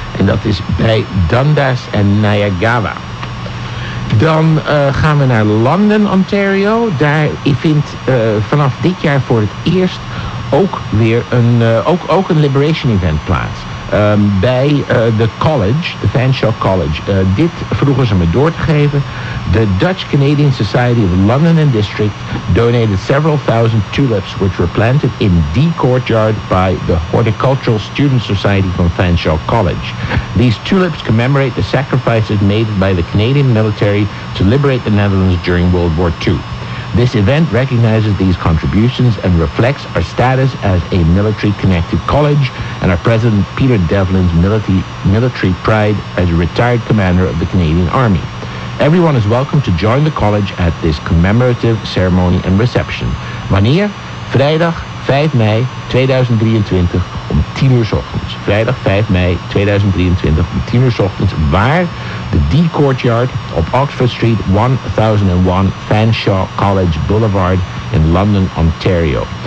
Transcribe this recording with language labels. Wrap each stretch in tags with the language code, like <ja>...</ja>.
<nl>En dat is bij Dundas en Niagara. Dan gaan we naar London, Ontario. Daar vindt vanaf dit jaar voor het eerst ook weer een, ook een Liberation Event plaats. Bij de college, de Fanshawe College. Dit vroegen ze me door te geven.</nl> <en>The Dutch Canadian Society of London and District donated several thousand tulips which were planted in the courtyard by the Horticultural Student Society from Fanshawe College. These tulips commemorate the sacrifices made by the Canadian military to liberate the Netherlands during World War II. This event recognizes these contributions and reflects our status as a military-connected college and our President Peter Devlin's military pride as a retired commander of the Canadian Army. Everyone is welcome to join the college at this commemorative ceremony and reception.</en> <nl>Wanneer? Vrijdag 5 mei 2023 om 10 uur ochtends. Vrijdag 5 mei 2023 om 10 uur ochtends. Waar? The D Courtyard op Oxford Street, 1001 Fanshawe College Boulevard in London, Ontario.</nl>